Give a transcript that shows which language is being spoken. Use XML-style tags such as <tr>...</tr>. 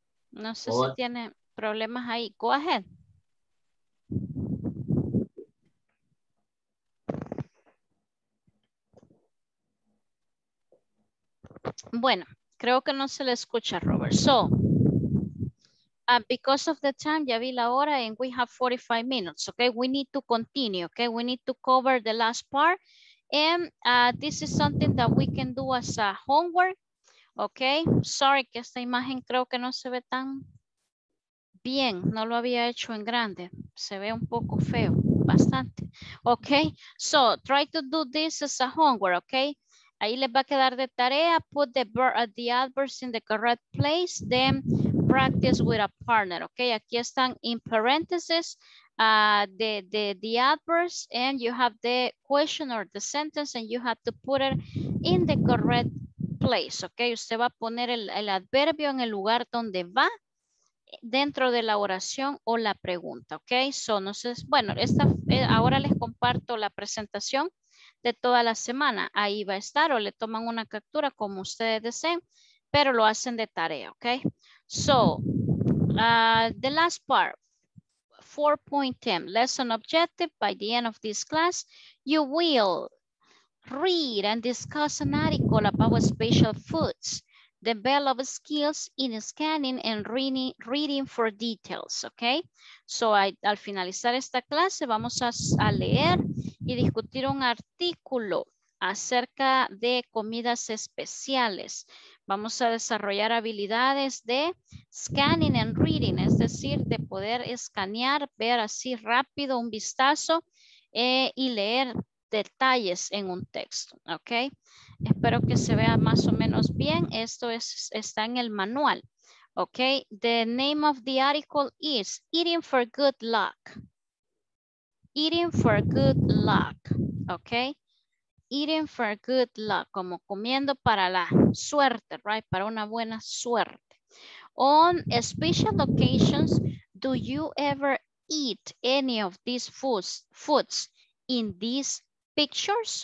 <es>No sé si tiene problemas ahí.</es> <en>Go ahead.</en> <es>Bueno, creo que no se le escucha, Robert.</es> <en>So, because of the time,</en> <es>ya vi la hora,</es> <en>and we have 45 minutes, okay? We need to continue, okay? We need to cover the last part. And this is something that we can do as a homework, okay?</en> <es>Sorry, que esta imagen creo que no se ve tan bien. No lo había hecho en grande. Se ve un poco feo, bastante.</es> <en>Okay, so try to do this as a homework, okay?</en> <es>Ahí les va a quedar de tarea,</es> <en>put the adverbs in the correct place, then practice with a partner, okay?</en> <es>Aquí están</es> <en>in parentheses the adverbs, and you have the question or the sentence, and you have to put it in the correct place, okay?</en> <es>Usted va a poner el adverbio en el lugar donde va dentro de la oración o la pregunta, okay? So, no sé, bueno, esta, ahora les comparto la presentación de toda la semana, ahí va a estar, o le toman una captura como ustedes deseen, pero lo hacen de tarea, ok.</es> <en>So, the last part, 4.10, lesson objective, by the end of this class, you will read and discuss an article about special foods, develop skills in scanning and reading for details, ok.</en> <es>So, al finalizar esta clase, vamos a leer y discutir un artículo acerca de comidas especiales. Vamos a desarrollar habilidades de</es> <en>scanning and reading,</en> <es>es decir, de poder escanear, ver así rápido un vistazo y leer detalles en un texto, ¿ok? Espero que se vea más o menos bien. Esto es, está en el manual, ¿ok?</es> <en>The name of the article is Eating for Good Luck. Eating for good luck, ok? Eating for good luck,</en> <es>como comiendo para la suerte,</es> <en>right?</en> <es>Para una buena suerte.</es> <en>On special occasions, do you ever eat any of these foods in these pictures?</en>